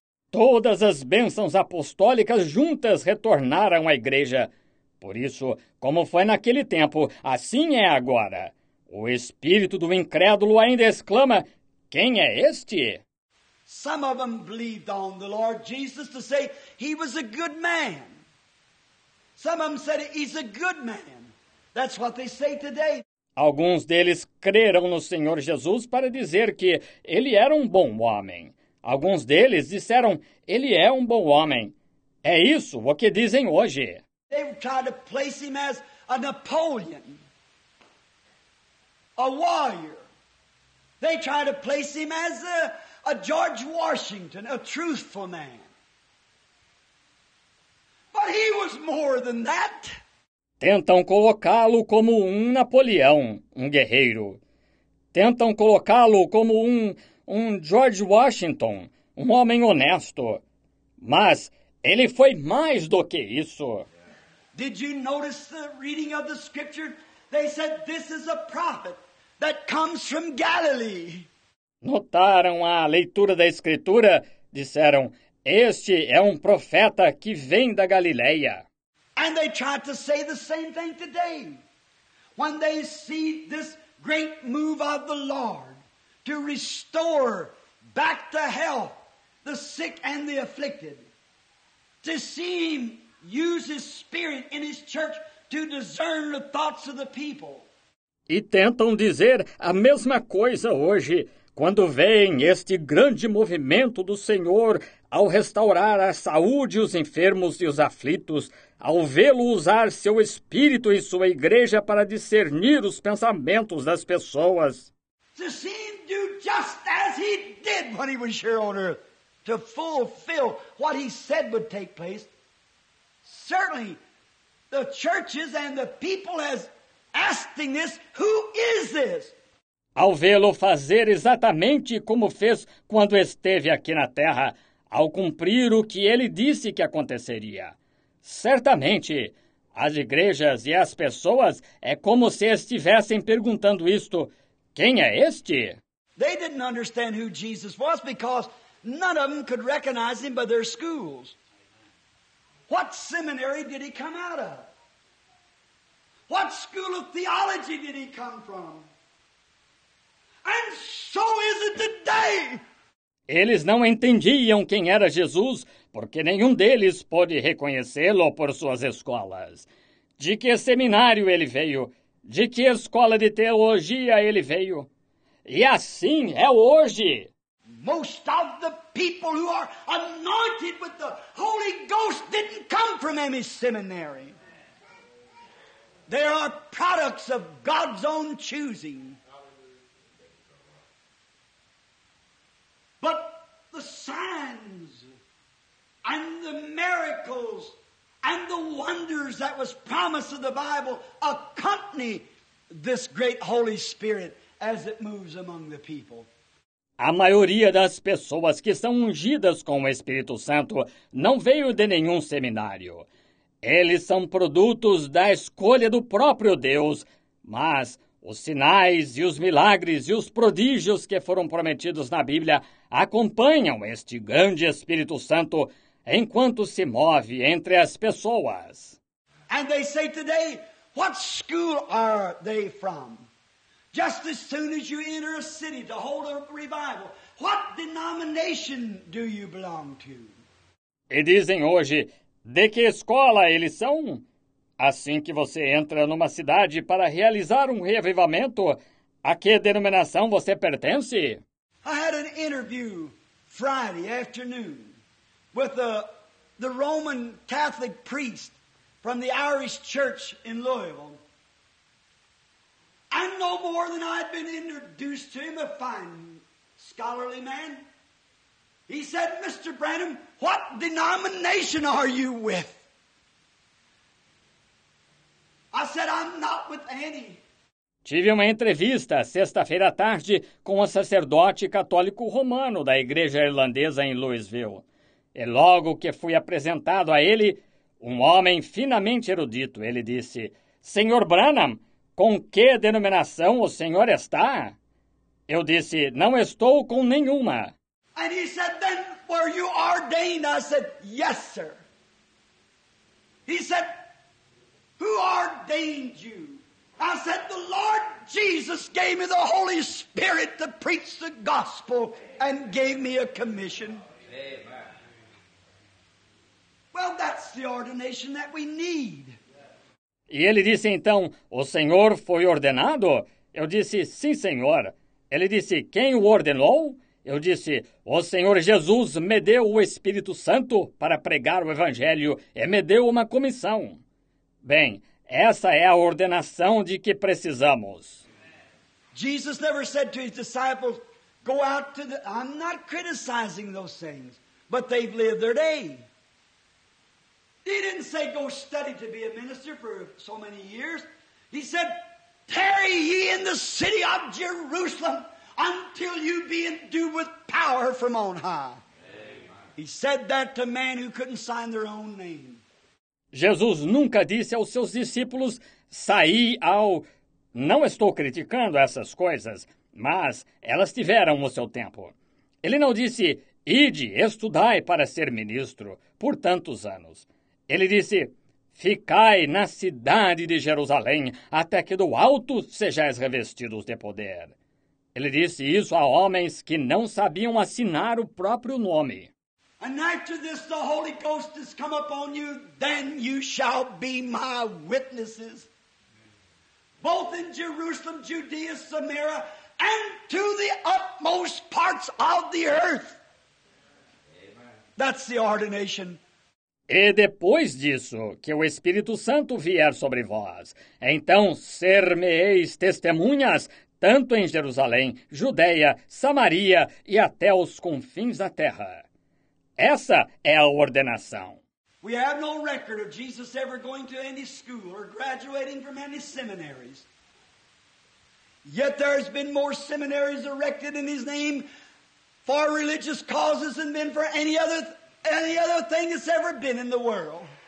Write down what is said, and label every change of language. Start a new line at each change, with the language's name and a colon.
Portuguese: Todas as bênçãos apostólicas juntas retornaram à igreja. Por isso, como foi naquele tempo, assim é agora. O espírito do incrédulo ainda exclama, quem é este?
English: Some of them believed on the Lord Jesus to say he was a good man. Some of them said he's a good man. That's what they say today.
Portuguese: Alguns deles creram no Senhor Jesus para dizer que ele era um bom homem. Alguns deles disseram, ele é um bom homem. É isso o que dizem hoje.
English: They tried to place him as a Napoleon, a warrior. They tried to place him as a George Washington, a truthful man. But he was more than that.
Portuguese: Tentam colocá-lo como um Napoleão, um guerreiro. Tentam colocá-lo como um George Washington, um homem honesto. Mas ele foi mais do que isso.
English: Did you notice the reading of the scripture? They said, this is a prophet that comes from Galilee.
Portuguese: Notaram a leitura da escritura? Disseram, este é um profeta que vem da Galileia.
English: And they tried to say the same thing today. When they see this great move of the Lord, to restore back to health the sick and the afflicted, to see him use his spirit in his church to discern the thoughts of the people.
Portuguese: E tentam dizer a mesma coisa hoje, quando vem este grande movimento do Senhor ao restaurar a saúde os enfermos e os aflitos, ao vê-lo usar seu espírito e sua igreja para discernir os pensamentos das pessoas.
English: To see him do just as he did when he was here on earth, to fulfill what he said would take place. Certainly, the churches and the people has asking this, who is this?
Portuguese: Ao vê-lo fazer exatamente como fez quando esteve aqui na terra, ao cumprir o que ele disse que aconteceria. Certamente, as igrejas e as pessoas é como se estivessem perguntando isto, quem é este?
English: They didn't understand who Jesus was because none of them could recognize him by their schools. What seminary did he come out of? What school of theology did he come from? And so is it today.
Portuguese: Eles não entendiam quem era Jesus porque nenhum deles pôde reconhecê-lo por suas escolas. De que seminário ele veio? De que escola de teologia ele veio? E assim é hoje.
English: Most of the people who are anointed with the Holy Ghost didn't come from any seminary. They are products of God's own choosing. But the signs and the miracles and the wonders that was promised of the Bible accompany this great Holy Spirit as it moves among the people.
Portuguese: A maioria das pessoas que são ungidas com o Espírito Santo não veio de nenhum seminário. Eles são produtos da escolha do próprio Deus, mas os sinais e os milagres e os prodígios que foram prometidos na Bíblia acompanham este grande Espírito Santo enquanto se move entre as pessoas.
English: And they say today, what school are they from? Just as soon as you enter a city to hold a revival, what denomination do you belong to?
Portuguese: E dizem hoje, de que escola eles são? Assim que você entra numa cidade para realizar um reavivamento, a que denominação você pertence?
English: I had an interview Friday afternoon with the Roman Catholic priest from the Irish Church in Louisville. And no more than I'd been introduced to him, a fine scholarly man. He said, Mr. Branham, what denomination are you with? I said, I'm not with any.
Portuguese: Tive uma entrevista sexta-feira à tarde com um sacerdote católico romano da igreja irlandesa em Louisville. E logo que fui apresentado a ele, um homem finamente erudito, ele disse, Senhor Branham, com que denominação o senhor está? Eu disse, não estou com nenhuma.
English: And he said, then were you ordained? I said, yes, sir. He said, who ordained you? I said, the Lord Jesus gave me the Holy Spirit to preach the gospel and gave me a commission. Amen. Well, that's the ordination that we need.
Portuguese: E ele disse então, o senhor foi ordenado? Eu disse, sim, senhor. Ele disse, quem o ordenou? Eu disse, o Senhor Jesus me deu o Espírito Santo para pregar o Evangelho e me deu uma comissão. Bem, essa é a ordenação de que precisamos.
English: Jesus never said to his disciples, go out to the... I'm not criticizing those things, but they've lived their day. He didn't say, go study to be a minister for so many years. He said, tarry ye in the city of Jerusalem until you be endued with power from on high. Amen. He said that to men who couldn't sign their own name.
Portuguese: Jesus nunca disse aos seus discípulos, saí ao... Não estou criticando essas coisas, mas elas tiveram o seu tempo. Ele não disse, ide, estudai para ser ministro por tantos anos. Ele disse, ficai na cidade de Jerusalém até que do alto sejais revestidos de poder. Ele disse isso a homens que não sabiam assinar o próprio nome.
English: And after this the Holy Ghost has come upon you, then you shall be my witnesses. Both in Jerusalem, Judea, Samaria, and to the utmost parts of the earth. Amen. That's the ordination.
Portuguese: E depois disso, que o Espírito Santo vier sobre vós, então ser-me-eis testemunhas tanto em Jerusalém, Judeia, Samaria e até os confins da terra. Essa é a ordenação.
English: We have no record of Jesus ever going to any school or graduating from any seminaries. Yet there has been more seminaries erected in his name for religious causes than been for any other thing that's ever been in the world.